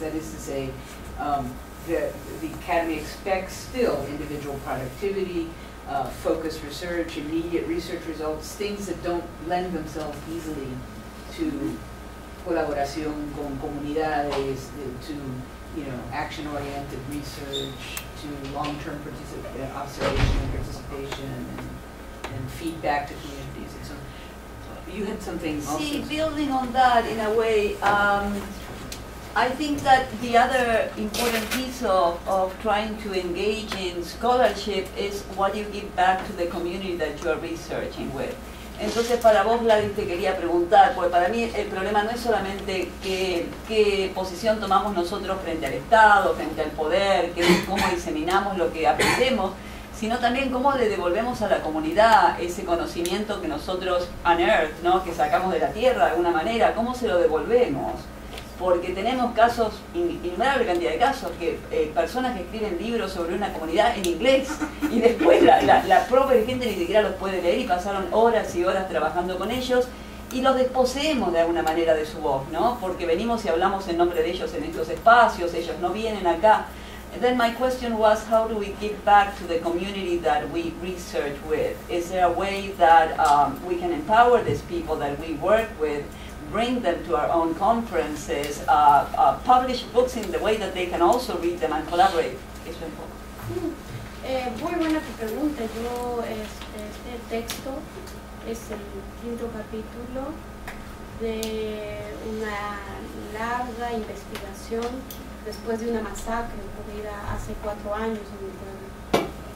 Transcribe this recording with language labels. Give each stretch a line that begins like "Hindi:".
English: That is to say, the academy expects still individual productivity, focused research, immediate research results, things that don't lend themselves easily to colaboración con comunidades, to, you know, action-oriented research, to long-term observation and participation, and feedback to communities, and so you had something also. See, building on that, in a way, I think that the other important piece of trying to engage in scholarship is what you give back to the community that you are researching with.
Spanish: Entonces, para vos, Gladys, te quería preguntar, porque para mí el problema no es solamente qué posición tomamos nosotros frente al Estado, frente al poder, cómo diseminamos lo que aprendemos, sino también cómo le devolvemos a la comunidad ese conocimiento que nosotros unearth, ¿no? Que sacamos de la tierra de alguna manera, cómo se lo devolvemos. Porque tenemos casos, innumerable cantidad de casos, que personas que escriben libros sobre una comunidad en inglés y después la propia gente ni siquiera los puede leer y pasaron horas y horas trabajando con ellos y los desposeemos de alguna manera de su voz, ¿no? Porque venimos y hablamos en nombre de ellos en estos espacios, ellos no vienen acá.
English: And then my question was, how do we give back to the community that we research with? Is there a way that we can empower these people that we work with, bring them to our own conferences, publish books in the way that they can also read them and collaborate?
Spanish: Es un poco. Muy buena tu pregunta. Yo, este texto es el quinto capítulo de una larga investigación después de una masacre ocurrida hace 4 años en mi pueblo.